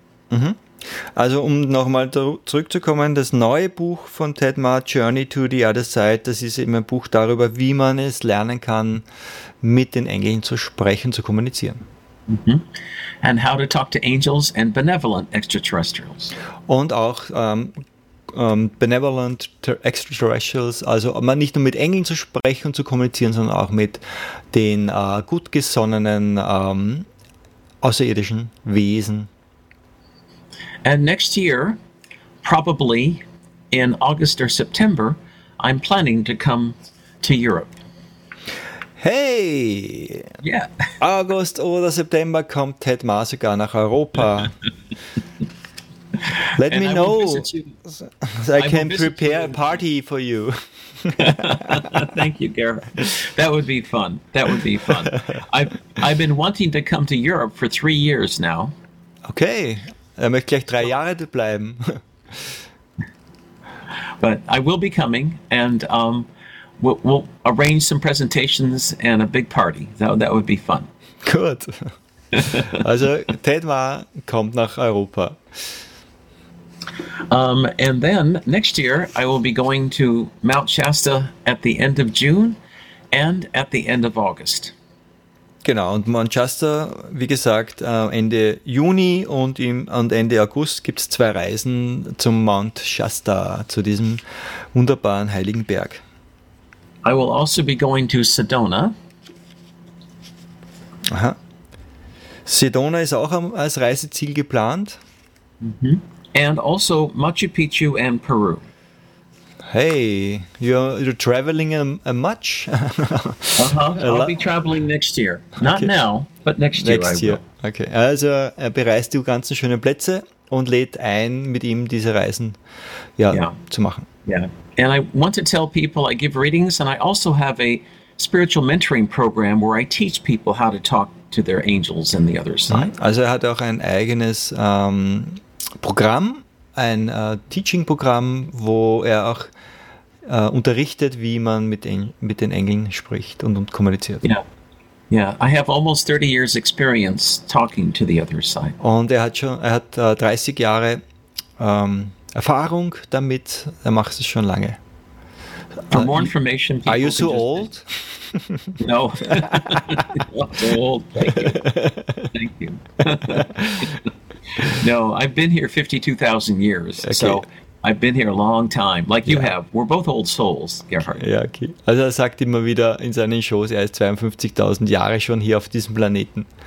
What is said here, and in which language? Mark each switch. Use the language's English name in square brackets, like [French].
[German] Mhm. Also um nochmal zurückzukommen, das neue Buch von Ted Ma, Journey to the Other Side, das ist eben ein Buch darüber, wie man es lernen kann, mit den Engeln zu sprechen, zu kommunizieren. Mm-hmm. [English] And how to talk to angels and benevolent extraterrestrials. [German] Und auch benevolent extraterrestrials, also man nicht nur mit Engeln zu sprechen und zu kommunizieren, sondern auch mit den gutgesonnenen außerirdischen Wesen. [English] And next year, probably in August or September, I'm planning to come to Europe. Hey! Yeah. [German] August oder September kommt Ted Ma sogar nach Europa. [English] Let me know. I can prepare a party for you. Thank you, Gareth. That would be fun. That would be fun. I've been wanting to come to Europe for 3 years now. [German] Okay. Er möchte gleich 3 Jahre bleiben. [English] But I will be coming, and we'll arrange some presentations and a big party. That would be fun. [German] Gut. Also Ted Ma kommt nach Europa. [English] And then next year I will be going to Mount Shasta at the end of June and at the end of August. [German] Genau, und Manchester, wie gesagt, Ende Juni und Ende August gibt es 2 Reisen zum Mount Shasta, zu diesem wunderbaren heiligen Berg. [English] I will also be going to Sedona. [German] Aha. Sedona ist auch als Reiseziel geplant. [English] Mm-hmm. And also Machu Picchu and Peru. Hey, you're traveling a much? Uh-huh. I'll be traveling next year. Not okay. Now, but next year. Okay. [German] Also er bereist die ganzen schönen Plätze und lädt ein, mit ihm diese Reisen zu machen. [English] Yeah. And I want to tell people, I give readings and I also have a spiritual mentoring program where I teach people how to talk to their angels and the other side. [German] Also er hat auch ein eigenes Programm. Ein Teaching-Programm, wo er auch unterrichtet, wie man mit den Engeln spricht und kommuniziert. [English] Yeah, I have almost 30 years experience talking to the other side. [German] Und er hat 30 Jahre Erfahrung damit. Er macht es schon lange. [English] For more information, are you so old? No, not so old. Thank you. No, I've been here 52,000 years, okay. So I've been here a long time, like you have. We're both old souls, Gerhard. [German] Ja, okay. Also er sagt immer wieder in seinen Shows, er ist 52,000 Jahre schon hier auf diesem Planeten.